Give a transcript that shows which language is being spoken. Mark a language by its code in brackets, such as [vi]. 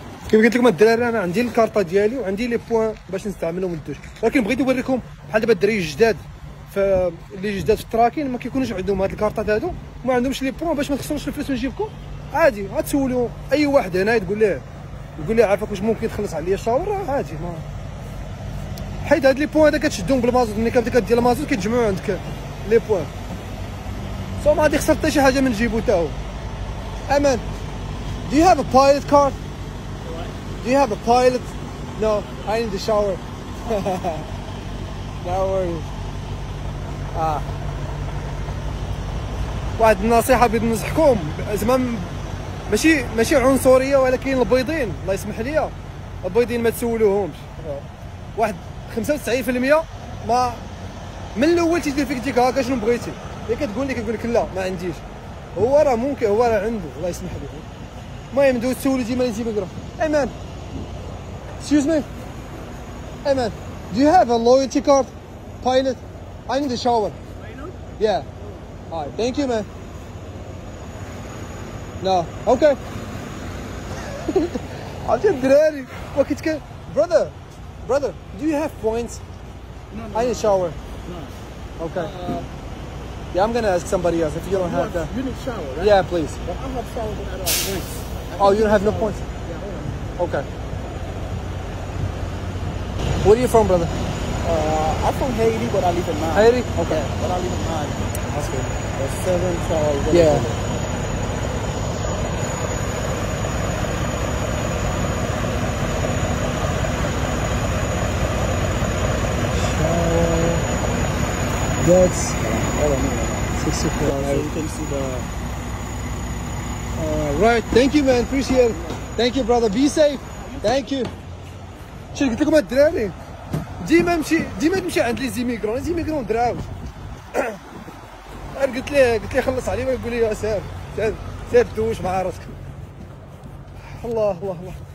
[ar] كيف قلت لكم الدراري، انا عندي الكارطة ديالي وعندي لي بوان باش نستعملهم للدوش، ولكن بغيت نوريكم بحال دابا الدراري الجداد اللي جداد في التراكين ما كيكونوش عندهم هاد الكارطات هادو وما عندهمش لي بوان باش ما تخسروش الفلوس من جيبكم. عادي غتسولوا اي واحد هنا تقول ليه عافاك واش ممكن تخلص عليا الشاور، عادي ما حيت هاد لي بوان هذا كتشدهم بالمازوت، ملي كتبدا كدير المازوت كيتجمعوا عندك لي بوان، سو ما غادي يخسر حتى شي حاجه من جيبو تاهو. [en] امان، do you have a pilot card? do you have a pilot? no, I need the shower. no worries. [ar] واحد النصيحه بغيت ننصحكم، زعما ماشي عنصريه، ولكن البيضين الله يسمح لي البيضين ما تسولوهمش. واحد 95% ما من الاول تيجي فيك ديك هكا شنو بغيتي، هي كتقول لك يقول لك لا ما عنديش، هو راه ممكن هو راه عنده الله يسمح لي. المهم دوز تسولو ديما لي زيميغرا. [en] ايمان اكسكيوز مي، ايمان دو يو هاف ا لويالتي كارد بايلوت؟ اي نيد ا شاور. بايلوت؟ يا هاي ثانك يو مان. لا اوكي عرفتي الدراري وكيت كان براذر Brother, do you have points? No. I need a shower. No. Okay. Yeah, I'm gonna ask somebody else if you don't have that. You need shower, right? Yeah, please. But I don't have shower at all. Points. Oh, you don't have no points? Yeah, hold on. Okay. Where are you from, brother? I'm from Haiti, but I live in Miami. Haiti? Okay. Yeah, but I live in Miami. That's good. There's seven showers. Yeah. That's, I don't know, 64. So you can see the... Right, thank you man, appreciate it. Thank you brother, be safe. Thank you. [ar] شنو قلت لكم الدراري؟ ديما تمشي عند لي زيميغرون، دراو. قلت لي خلص علي ولا قول لي سير سير سير دوش مع راسك. الله الله الله.